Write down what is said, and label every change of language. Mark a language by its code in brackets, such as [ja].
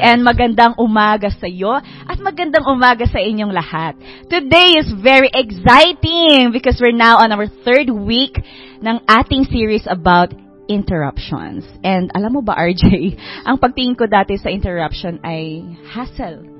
[tl] And magandang umaga sa iyo at magandang umaga sa inyong lahat. [en] Today is very exciting because we're now on our third week [tl] ng ating [en] series about interruptions. [tl] And alam mo ba, RJ, ang pagtingin ko dati sa interruption ay hassle.